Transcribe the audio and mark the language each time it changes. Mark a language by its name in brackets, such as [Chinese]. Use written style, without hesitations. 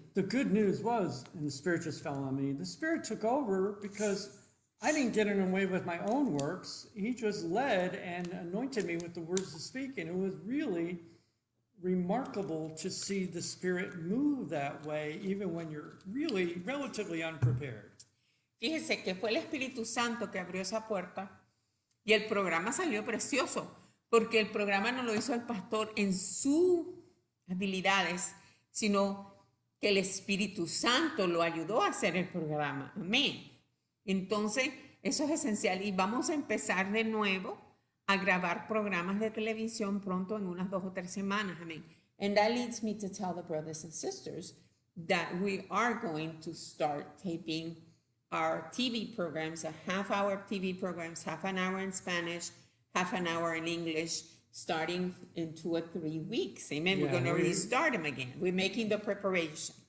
[English] The good news was, and the Spirit just fell on me, the Spirit took over because I didn't get in the way with my own works. He just led and anointed me with the words to speak, and it was really remarkable to see the Spirit move that way, even when you're really relatively unprepared. [Spanish] Fíjese que fue el Espíritu Santo que abrió esa puerta, y el programa salió precioso, porque el programa no lo hizo el pastor en sus habilidades, sino que el Espíritu Santo lo ayudó a hacer el programa. Amén. Entonces, eso es esencial. Y vamos a empezar de nuevo a grabar programas de televisión pronto en unas dos o tres semanas. Amén. [English] And that leads me to tell the brothers and sisters that we are going to start taping our TV programs, a half hour TV programs, half an hour in Spanish, half an hour in English, starting in 2 or 3 weeks. Amen. Yeah, we're going to restart them again. We're making the preparations.